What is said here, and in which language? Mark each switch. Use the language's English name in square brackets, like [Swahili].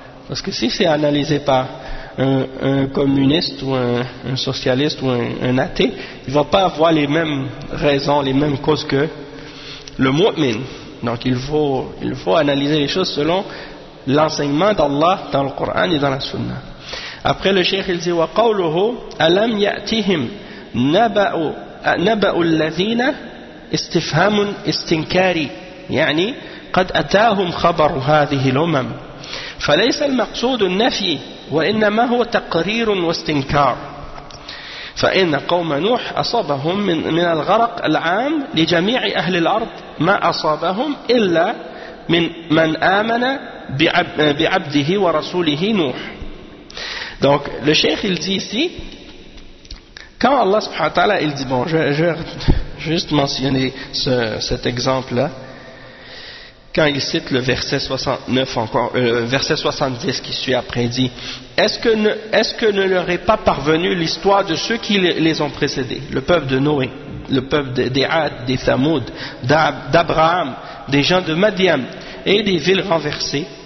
[French] Parce que si c'est analysé par un communiste ou un socialiste ou un athée, il ne va pas avoir les mêmes raisons, les mêmes causes que le mu'min. Donc il faut analyser les choses selon l'enseignement d'Allah dans le Coran et dans la Sunna. Après, le cheikh il dit [Arabic] wa qawluhu alam ya'tihim naba'u alladhina istifhamun istinkari يعني قد أتاهم خبر هذه الأمم فليس المقصود النفي وإنما هو تقرير واستنكار فإن قوم نوح أصابهم من الغرق العام لجميع أهل الأرض ما أصابهم إلا من آمن بعبده ورسوله نوح. [French] Donc le cheikh il dit ici, quand Allah subhanahu wa ta'ala il dit, bon, je juste mentionner cet exemple là quand il cite le verset 70 qui suit après, il dit est-ce que ne leur est pas parvenue l'histoire de ceux qui les ont précédés, le peuple de Noé, le peuple des Had, des Thamoud, d'Abraham, des gens de Madian et des villes renversées?